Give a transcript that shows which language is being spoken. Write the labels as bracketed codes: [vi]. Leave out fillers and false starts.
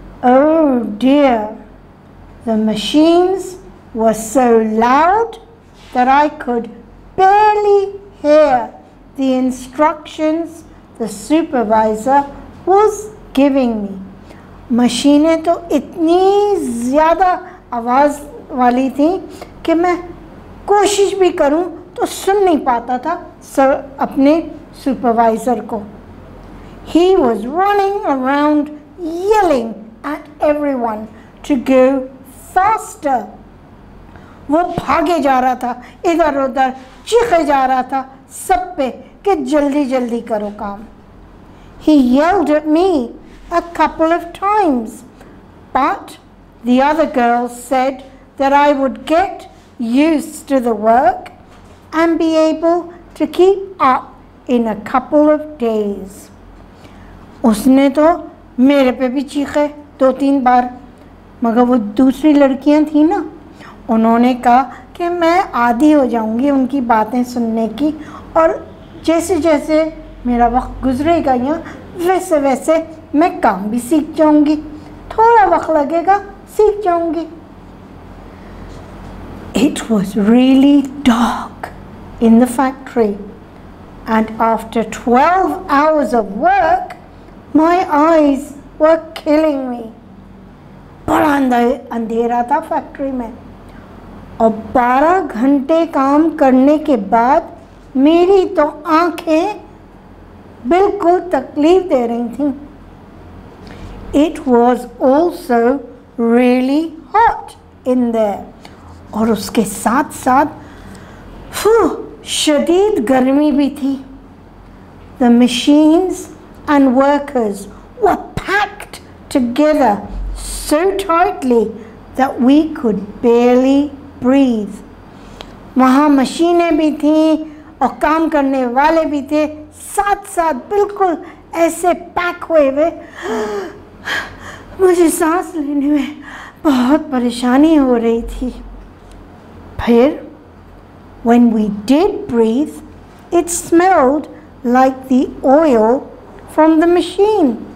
[en] Oh dear, the machines were so loud that I could barely hear the instructions the supervisor was giving me. [hi] मशीनें तो इतनी ज़्यादा आवाज़ वाली थी कि मैं कोशिश भी करूँ तो सुन नहीं पाता था सर अपने सुपरवाइज़र को. [en] He was running around yelling at everyone to go faster. [hi] वो भागे जा रहा था इधर उधर, चीखे जा रहा था सब पे कि जल्दी जल्दी करो काम. [en] He yelled at me a couple of times, but the other girls said that I would get used to the work and be able to keep up in a couple of days. [hi] उसने तो मेरे पे भी चीखे दो तीन बार, मगर वो दूसरी लड़कियां थी ना, उन्होंने कहा कि मैं आदी हो जाऊंगी उनकी बातें सुनने की और जैसे जैसे मेरा वक्त गुजरेगा यहाँ वैसे वैसे मैं काम भी सीख जाऊंगी. थोड़ा वक्त लगेगा सीख जाऊंगी. [en] It was really dark in the factory and after 12 hours of work my eyes were killing me. [hi] बड़ा अंधेरा था फैक्ट्री में और 12 घंटे काम करने के बाद मेरी तो आंखें बिल्कुल तकलीफ दे रही थी. [en] It was also really hot in there. [hi] और उसके साथ साथ शदीद गर्मी भी थी. [en] The machines and workers were packed together so tightly that we could barely breathe. [hi] वहाँ मशीनें भी थी और काम करने वाले भी थे साथ साथ बिल्कुल ऐसे पैक हुए हुए. मुझे सांस लेने में बहुत परेशानी हो रही थी. [en] फिर when we did breathe, it smelled like the oil from the machine.